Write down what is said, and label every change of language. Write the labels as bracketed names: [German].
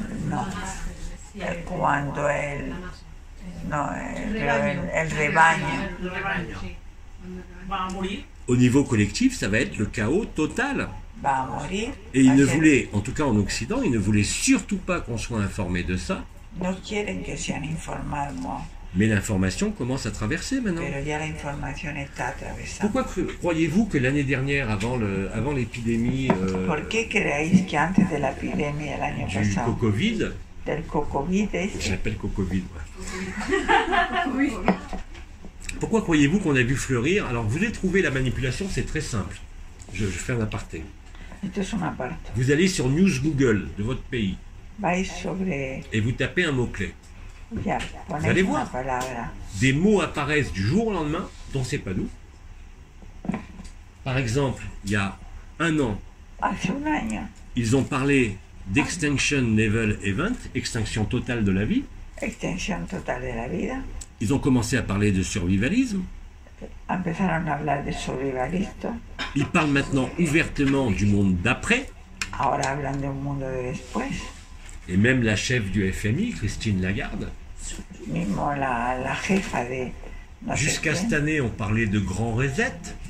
[Spanish] La quando el, no, el rebaño. [French] Au niveau collectif, ça va être le chaos total. [Spanish] Va a morir. [French] Et ils ne voulaient, en tout cas en Occident, ils ne voulaient surtout pas qu'on soit informé de ça. [Spanish] No quieren que sean informados. [French] Mais l'information commence à traverser maintenant. [Spanish] Pero ya la información está atravesando. [French] Pourquoi croyez-vous que l'année dernière, avant l'épidémie, [Spanish] ¿Por qué creéis que antes de la epidemia, el año [French] du [Spanish] pasado, [French] Covid, [Spanish] del Covid, [French] je l'appelle Covid, moi. Oui. Pourquoi croyez-vous qu'on a vu fleurir? Alors, vous avez trouvé la manipulation, c'est très simple. Je fais un aparté. Vous allez sur News Google de votre pays. Et vous tapez un mot-clé. Vous allez voir. Des mots apparaissent du jour au lendemain, dont c'est pas nous. Par exemple, il y a un an, ils ont parlé d' [English] Extinction Level Event, [French] extinction totale de la vie. Extinction totale de la vie. Ils ont commencé à parler de survivalisme. [Spanish] Empezaron a hablar de survivalista. [French] Ils parlent maintenant ouvertement du monde d'après. [Spanish] Ahora hablan de un mundo de después. [French] Et même la chef du FMI, Christine Lagarde. [Spanish] Mismo la jefa de. [French] No jusqu'à cette année, on parlait de grands resets.